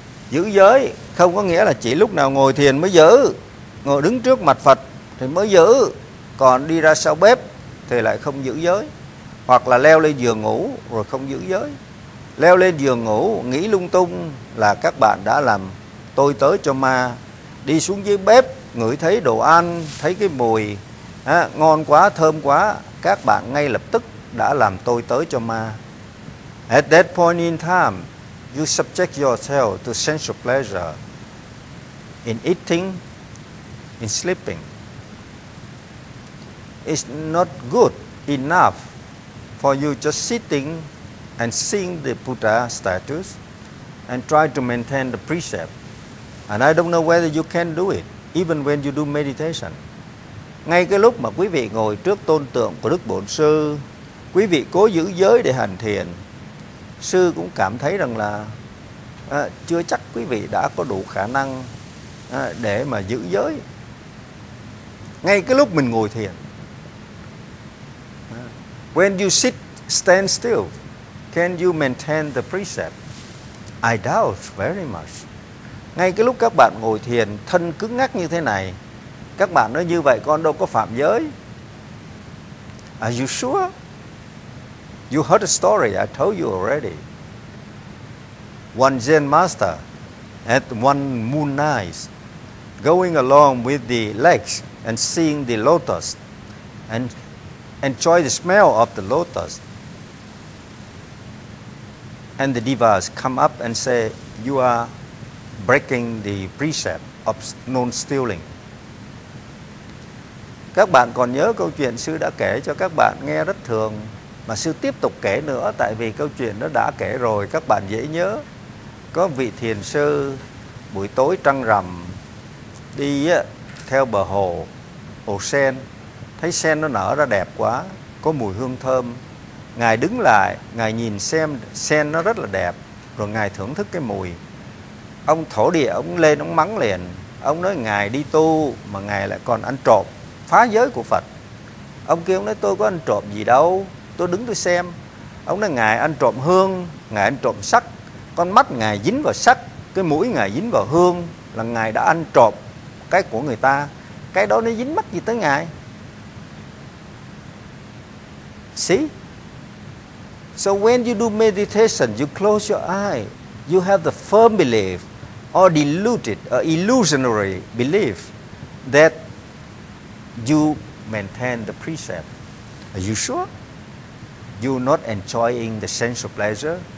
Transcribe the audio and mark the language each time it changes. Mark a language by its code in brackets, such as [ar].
[vi] Giữ giới không có nghĩa là chỉ lúc nào ngồi thiền mới giữ, ngồi đứng trước mặt Phật thì mới giữ, còn đi ra sau bếp thì lại không giữ giới, hoặc là leo lên giường ngủ rồi không giữ giới. Leo lên giường ngủ, nghĩ lung tung là các bạn đã làm tôi tớ cho ma. Đi xuống dưới bếp, ngửi thấy đồ ăn, thấy cái mùi ngon quá, thơm quá, các bạn ngay lập tức đã làm tôi tớ cho ma. [en] At that point in time, you subject yourself to sensual pleasure in eating, in sleeping. It's not good enough for you just sitting and seeing the Buddha statues and try to maintain the precept. And I don't know whether you can do it, even when you do meditation. [vi] Ngay cái lúc mà quý vị ngồi trước tôn tượng của Đức Bổn Sư, quý vị cố giữ giới để hành thiền, Sư cũng cảm thấy rằng là chưa chắc quý vị đã có đủ khả năng để mà giữ giới. Ngay cái lúc mình ngồi thiền, [en] when you sit, stand still, can you maintain the precept? I doubt very much. [vi] Ngay cái lúc các bạn ngồi thiền, thân cứng ngắc như thế này, các bạn nói như vậy con đâu có phạm giới. [en] Are you sure? You heard a story I told you already. One Zen master at one moon night, going along with the legs and seeing the lotus and enjoy the smell of the lotus. And the devas come up and say, you are breaking the precept of non-stealing. [vi] Các bạn còn nhớ câu chuyện sư đã kể cho các bạn nghe rất thường, mà sư tiếp tục kể nữa tại vì câu chuyện nó đã kể rồi, các bạn dễ nhớ. Có vị thiền sư buổi tối trăng rằm đi theo bờ hồ, hồ sen, thấy sen nó nở ra đẹp quá, có mùi hương thơm. Ngài đứng lại, ngài nhìn xem sen nó rất là đẹp, rồi ngài thưởng thức cái mùi. Ông thổ địa, ông lên, ông mắng liền. Ông nói ngài đi tu mà ngài lại còn ăn trộm, phá giới của Phật. Ông kia, ông nói tôi có ăn trộm gì đâu, tôi đứng tôi xem. Ông nói ngài ăn trộm hương, ngài ăn trộm sắc. Con mắt ngài dính vào sắc, cái mũi ngài dính vào hương, là ngài đã ăn trộm cái của người ta. Cái đó nó dính mắt gì tới ngài? See, [en] So when you do meditation, you close your eye, you have the firm belief or deluded or illusionary belief that you maintain the precept. Are you sure? You're not enjoying the sensual pleasure?